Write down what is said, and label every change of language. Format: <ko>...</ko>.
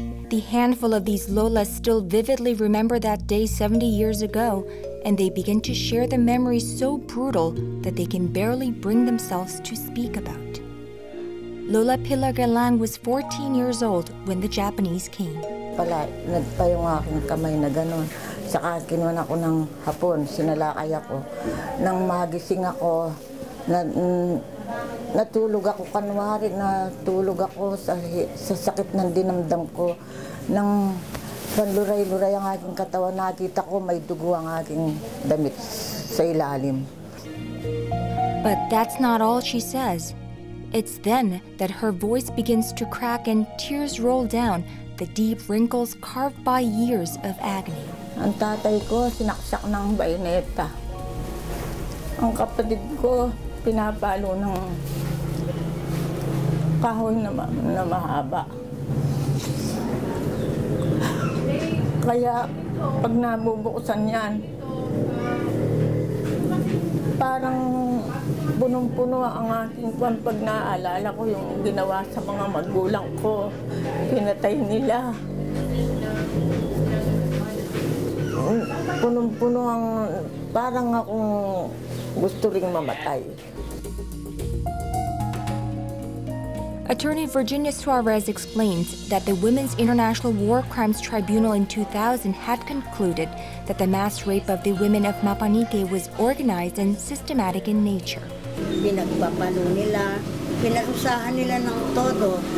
<en>The handful of these Lolas still vividly remember that day 70 years ago, and they begin to share the memories so brutal that they can barely bring themselves to speak about. Lola Pilar Galang was 14 years old when the Japanese came.</en> <tl>Pala, nagpa yung aking kamay na ganun. Saka kinuha ko ng Hapon, sinalakay ako. Nang magising ako, natulog ako kanwari, natulog ako sa sakit ng dinamdam ko. Nang panluray-luray ang aking katawan, nakita ko may dugo ang aking damit sa ilalim.</tl> <en>But that's not all she says. It's then that her voice begins to crack and tears roll down the deep wrinkles carved by years of agony.</en> <tl>Ang tatay ko, sinaksak ng bayoneta. Ang kapatid ko, pinapalo ng kahoy na mahaba. Kaya, pag nabubuksan yan, parang punong-puno ang aking kwan pag naaalala ko yung ginawa sa mga magulang ko. Pinatay nila. Punong-puno ang parang akong gusto ring mamatay.</tl> <en>Attorney Virginia Suarez explains that the Women's International War Crimes Tribunal in 2000 had concluded that the mass rape of the women of Mapanique was organized and systematic in nature.</en> <tl>Pinagpapalo nila, pinag-usahan nila ng todo.</tl>